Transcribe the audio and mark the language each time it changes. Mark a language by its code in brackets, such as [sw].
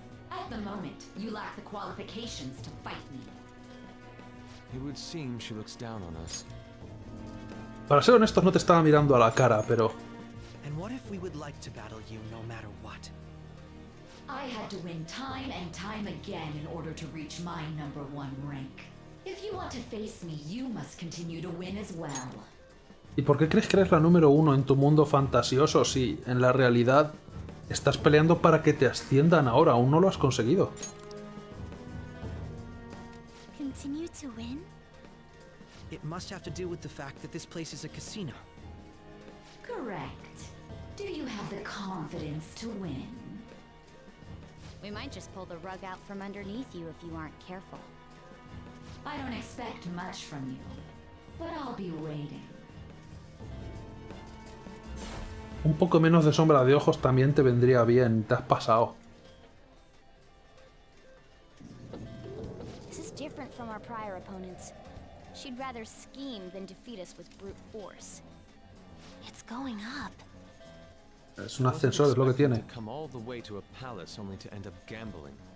[en] At the moment, you lack the qualifications to fight me. It would seem she looks down on us. [es] Para ser honestos, no te estaba mirando a la cara, pero... [en] And what if we would like to battle you no matter what? I had to win time and time again in order to reach my number one rank. If you want to face me, you must continue to win as well. [es] ¿Y por qué crees que eres la número uno en tu mundo fantasioso si, en la realidad... Estás peleando para que te asciendan ahora, aún no lo has conseguido. [en] Continue to win? It must have to do with the fact that this place is a casino. Correct. Do you have the confidence to win? We might just pull the rug out from underneath you if you aren't careful. I don't expect much from you, but I'll be waiting. [es] Un poco menos de sombra de ojos también te vendría bien. Te has pasado. [en] This is different from our prior opponents. She'd rather scheme than defeat us with brute force. It's going up. [es] Es un ascensor, es lo que tiene. [en] Come all the way to a palace only to end up gambling.